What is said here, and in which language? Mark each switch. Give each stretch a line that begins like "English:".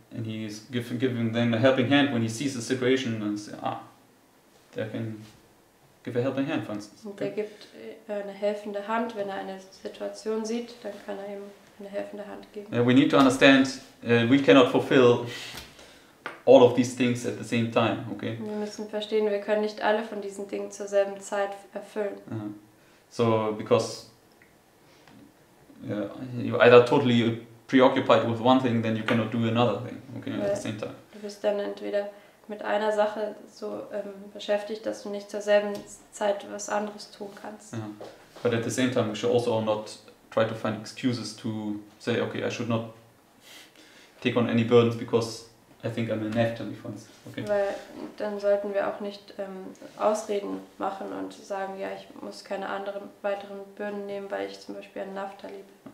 English: And he is giving them a helping hand when he sees the situation and say, they can give a helping hand, for instance.
German: Und er gibt eine helfende Hand, wenn er eine Situation sieht, dann kann er ihm eine helfende Hand geben.
English: We need to understand, we cannot fulfill all of these things at the same time, okay?
German: Wir müssen verstehen, wir können nicht alle von diesen Dingen zur selben Zeit erfüllen.
English: So, because you're either totally preoccupied with one thing, then you cannot do another thing, okay, at the same time.
German: Du bist dann entweder mit einer Sache so beschäftigt, dass du nicht zur selben Zeit was anderes tun kannst.
English: But at the same time, we should also not try to find excuses to say, okay, I should not take on any burdens because I think I'm a Naphtali, for instance. Okay.
German: Weil dann sollten wir auch nicht Ausreden machen und sagen, ja, ich muss keine anderen weiteren Bürden nehmen, weil ich zum Beispiel ein Naphtali bin.